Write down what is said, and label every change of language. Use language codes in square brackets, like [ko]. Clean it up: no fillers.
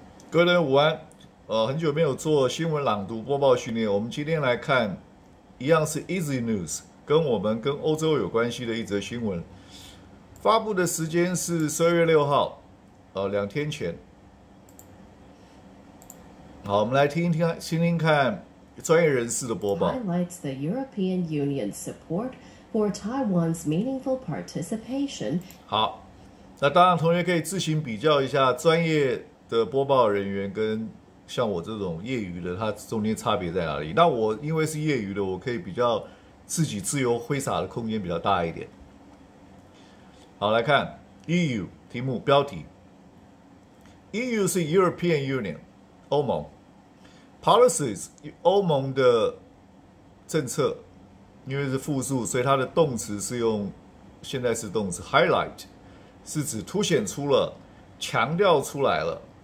[zh] 各位午安，很久没有做新闻朗读播报训练，我们今天来看，一样是 Easy News，跟欧洲有关系的一则新闻，发布的时间是12月6号，2天前。好，我们来听听看专业人士的播报。 [en] Highlights the European Union's support for Taiwan's meaningful participation. [zh] 好，那当然，同学可以自行比较一下专业的播报人员跟像我这种业余的，它中间差别在哪里？那我因为是业余的，我可以比较自己自由挥洒的空间比较大一点。好，来看 EU 题目标题，EU 是 European Union 欧盟，Policies 欧盟的政策，因为是复数，所以它的动词是用现在式动词 highlight，是指凸显出了，强调出来了。